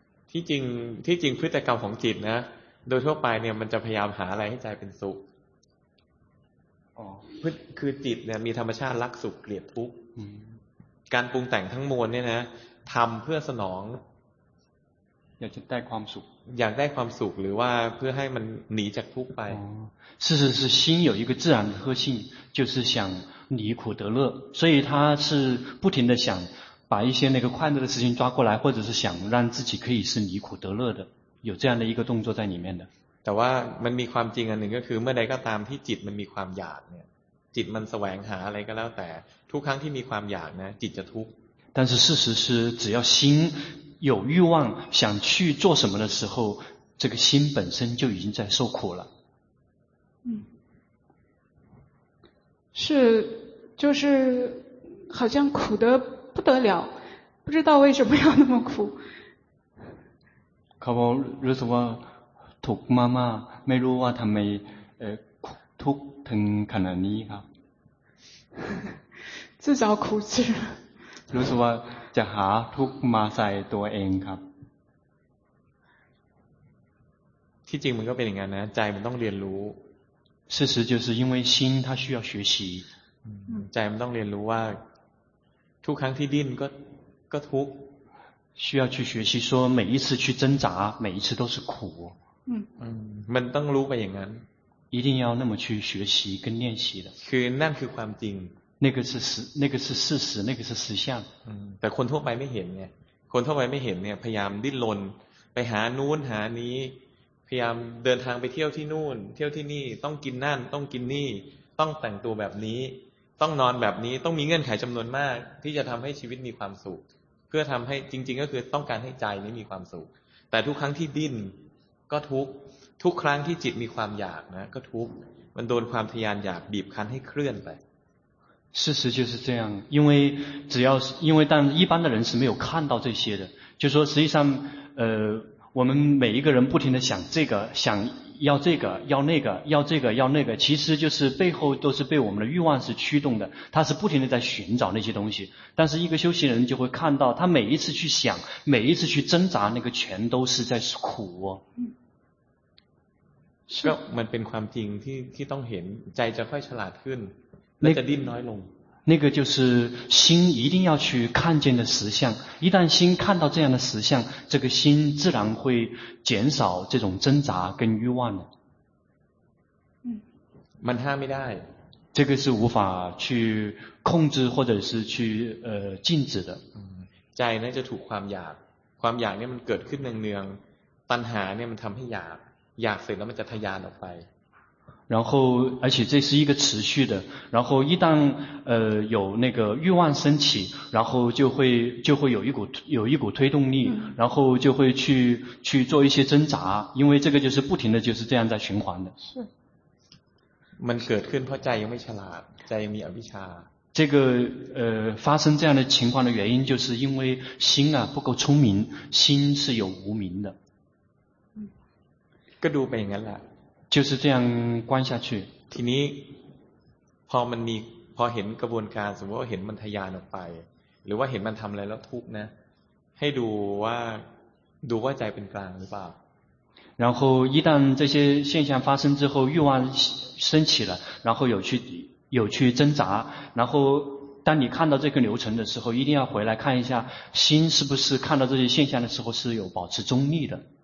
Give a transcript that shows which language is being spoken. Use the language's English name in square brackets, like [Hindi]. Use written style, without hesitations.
[Thai] ที่จริงพฤติกรรมของจิตนะโดยทั่วไปเนี่ยมันจะพยายามหาอะไรให้ใจเป็นสุข อ๋อคือจิตเนี่ยมีธรรมชาติรักสุขเกลียดทุกข์การปรุงแต่งทั้งมวลเนี่ยนะทำเพื่อสนอง อยากจะได้ความสุขอ ยากได้ความสุขหรือว่าเพื่อให้มันหนีจากทุกข์ไป [Chinese] 事实是心有一个自然的特性就是想离苦得乐所以他是不停的想把一些那个快乐的事情抓过来或者是想让自己可以是离苦得乐的有这样的一个动作在里面的 [Thai] แต่ว่ามันมีความจริงอันหนึ่งก็คือเมื่อใดก็ตามที่จิตมันมีความอยากเนี่ยจิตมันแสวงหาอะไรก็แล้วแต่ทุกครั้งที่มีความอยากนะจิตจะทุกข์ [Chinese] 但是事实是只要心有欲望想去做什么的时候这个心本身就已经在受苦了是就是好像苦得不得了不知道为什么要那么苦 [Thai] ครับผมรู้สึกว่าถูกมากๆไม่รู้ว่าทำไมทุกข์ถึงขนาดนี้ครับ [Chinese] 自找苦吃 [Thai] รู้สึกว่าจะหาทุกมาใส่ตัวเองครับ ที่จริงมันก็เป็นอย่างนั้นนะใจมันต้องเรียนรู้ [Chinese] 事实就是因为心它需要学习。 [Thai] 嗯，ใจมันต้องเรียนรู้ว่าทุกครั้งที่ดิ้นก็ทุก [Chinese] 需要去学习说每一次去挣扎每一次都是苦。嗯 [Thai] มันต้องรู้ไปอย่างนั้น [Chinese] 一定要那么去学习跟练习的。 [Thai] คือนั่นคือความจริง [Chinese] 那个是事实那个是实相。 [Thai] 嗯แต่คนทั่วไปไม่เห็นไงคนทั่วไปไม่เห็นเนี่ยพยายามดิ้นรนไปหาโน้นหานี้พยายามเดินทางไปเที่ยวที่นู่นเที่ยวที่นี่ต้องกินนั่นต้องกินนี่ต้องแต่งตัวแบบนี้ต้องนอนแบบนี้ต้องมีเงื่อนไขจำนวนมากที่จะทำให้ชีวิตมีความสุขเพื่อทำให้จริงๆก็คือต้องการให้ใจนี้มีความสุขแต่ทุกครั้งที่ดิ้นก็ทุกครั้งที่จิตมีความอยากนะก็ทุกมันโดนความทยานอยากบีบคั้นให้เคลื่อนไป [Chinese] 事实就是这样，因为但一般的人是没有看到这些的，就说实际上，我们每一个人不停的想这个，想要这个，要那个，要这个，要那个，其实就是背后都是被我们的欲望是驱动的，他是不停的在寻找那些东西，但是一个修行人就会看到，他每一次去想，每一次去挣扎，那个全都是在苦哦。嗯 [Thai] 是มันเป็นความจริงที่ต้องเห็นใจจะค่อยฉลาดขึ้นและจะดิ้นน้อยลง [Chinese] 那个就是心一定要去看见的实相一旦心看到这样的实相这个心自然会减少这种挣扎跟欲望的 [Thai] มันห้ามไม่ได้ [Chinese] 这个是无法去控制或者是去禁止的 [Thai] ใจนั้นจะถูกความอยากเนี่ยมันเกิดขึ้นเนืองๆตัณหาเนี่ยมันทำให้อยากเสร็จแล้วมันจะทยานออกไป [Chinese] 然后而且这是一个持续的然后一旦有那个欲望升起然后就会有一股推动力然后就会去做一些挣扎因为这个就是不停的就是这样在循环的是 [Thai] มันเกิดขึ้นเพราะใจยังไม่ฉลาดใจยังมีอวิชชา [Chinese] 这个发生这样的情况的原因就是因为心啊不够聪明心是有无明的 [Thai] ก็ดูไปอย่างนั้นแหละ [Chinese] 就是这样关下去 [Thai] ทีนี้พอมันมีพอเห็นกระบวนการสมมติว่าเห็นมันทยานออกไปหรือว่าเห็นมันทำอะไรแล้วทุกข์นะให้ดูว่าใจเป็นกลางหรือเปล่า [Chinese] 然后一旦这些现象发生之后欲望升起了然后有去挣扎然后当你看到这个流程的时候一定要回来看一下心是不是看到这些现象的时候是有保持中立的